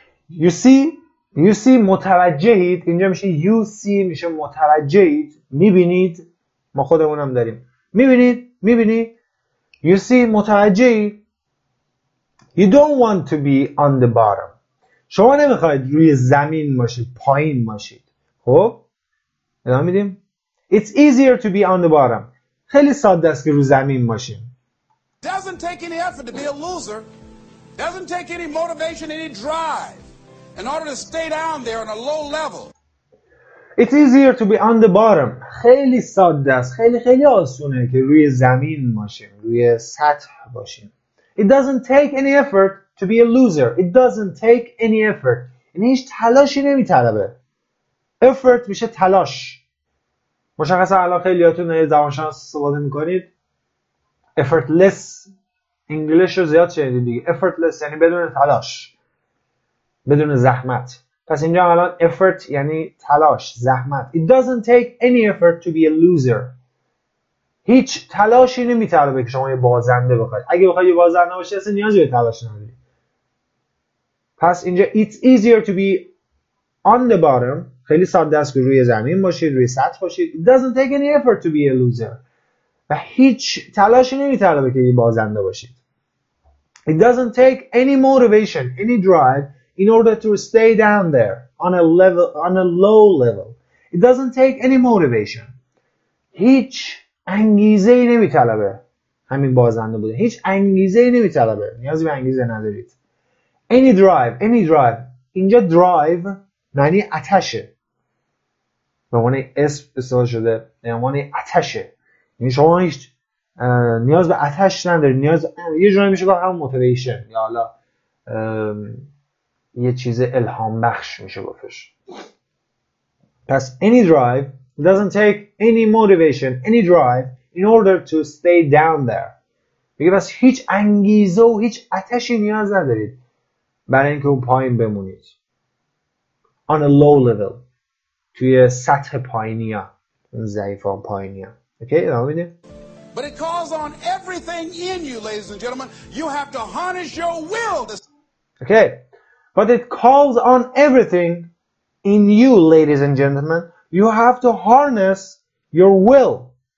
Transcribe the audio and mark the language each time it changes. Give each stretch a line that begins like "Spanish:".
English: You see
Persian: متوجهید. اینجا میشه
English: you see،
Persian: میشه متوجهید، میبینید. ما خودمونم داریم میبینید.
English: You see
Persian: متوجهی.
English: You don't want to be on the bottom.
Persian: شما نمیخواید روی زمین باشید، پایین باشید. خب ادامه میدیم.
English: It's easier to be on the bottom.
Persian: خیلی ساده است که روی زمین باشیم.
English: Doesn't take any effort to be a loser. Doesn't take any motivation, any drive in order to stay down there on a low level. It's easier to be on the bottom.
Persian: خیلی ساده است، خیلی خیلی آسونه که روی زمین باشیم، روی سطح باشیم.
English: It doesn't take any effort to be a loser. It doesn't take any effort.
Persian: یعنی هیچ تلاشی نمیطلبه. Effort میشه تلاش. مشخصا الان خیلیاتون از زبانشناس استفاده میکنید. Effortless انگلیش رو زیاد شنیدید دیگه. Effortless یعنی بدون تلاش، بدون زحمت. پس اینجا الان effort یعنی تلاش، زحمت.
English: It doesn't take any effort to be a loser.
Persian: هیچ تلاشی نمیطلبه که شما یه بازنده بخواید. اگه بخواید یه بازنده باشی اصلا نیازی به تلاش نداری. پس اینجا
English: it's easier to be on the bottom.
Persian: خیلی ساده است که روی زمین باشید، روی سطح باشید.
English: It doesn't take any effort to be a loser.
Persian: و هیچ تلاشی نمیطلبه که یه بازنده باشید.
English: It doesn't take any motivation, any drive in order to stay down there on a level, on a low level. It doesn't take any motivation.
Persian: هیچ انگیزه ای نمی طلبه همین بازنده بوده. هیچ انگیزه ای نمی طلبه. نیازی به انگیزه ندارید.
English: Any drive.
Persian: اینجا drive معنی آتشه. به معنی اسم استفاده شده. به معنی آتشه. یعنی شما هیچ نیاز به آتش ندارید. نیاز یه جوری میشه گفت همون motivation. یا حالا یه چیز الهام بخش میشه گفتش.
English: پس any drive doesn't take any motivation, any drive in order to stay down there.
Persian: میگه بس هیچ انگیزه و هیچ آتشی نیاز ندارید برای اینکه اون پایین بمونید.
English: On a low level.
Persian: توی سطح پایینی ها. ضعیف ها پایینی ها. اوکی؟ ادامه میدیم.
English: but it calls on everything in you, ladies and gentlemen. You have to harness your will. Okay, but it calls on everything in you, ladies and gentlemen. You have to harness your will.